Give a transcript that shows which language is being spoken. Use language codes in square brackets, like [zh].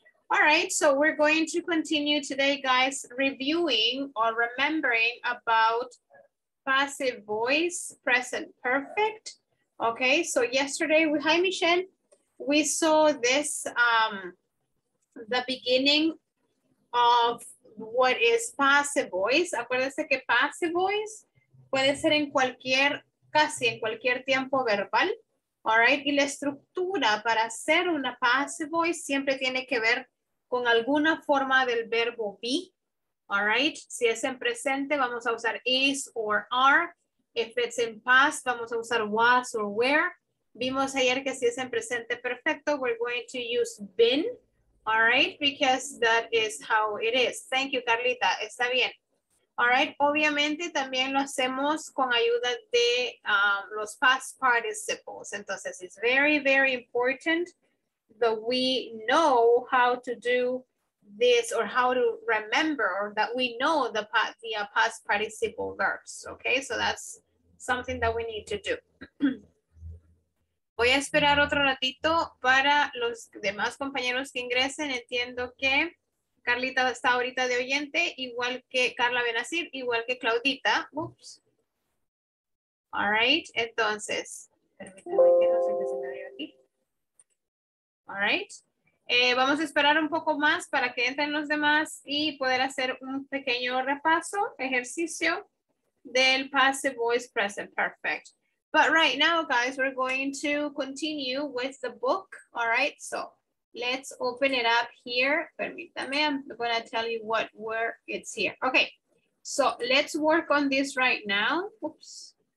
[en] All right, so we're going to continue today, guys, reviewing or remembering about passive voice, present perfect. Okay, so yesterday, hi, Michelle. We saw this, the beginning of what is passive voice. [es] Acuérdense que passive voice puede ser en cualquier, casi en cualquier tiempo verbal. All right, y la estructura para hacer una passive voice siempre tiene que ver con alguna forma del verbo be, all right? Si es en presente, vamos a usar is or are. [en] If it's in past, [es] vamos a usar [en] was or were. [es] Vimos ayer que si es en presente perfecto, [en] we're going to use been, all right? Because that is how it is. Thank you, Carlita. [es] Está bien. All right, obviamente también lo hacemos con ayuda de los past participles. [en] Entonces, it's very, very important that we know how to do this or how to remember or that we know the past participle verbs, okay? So that's something that we need to do. [es] Voy a esperar otro ratito para los demás compañeros que ingresen. Entiendo que Carlita está ahorita de oyente, igual que Carla Benazir, igual que Claudita. Oops. All right, entonces. Permítanme que no sé qué se me dio aquí. All right. Vamos a esperar un poco más para que entren los demás y poder hacer un pequeño repaso, ejercicio del passive voice present perfect. [en] But right now, guys, we're going to continue with the book. All right. So let's open it up here. [es] Permítame, [en] I'm going to tell you what where it's here. Okay. So let's work on this right now. Oops.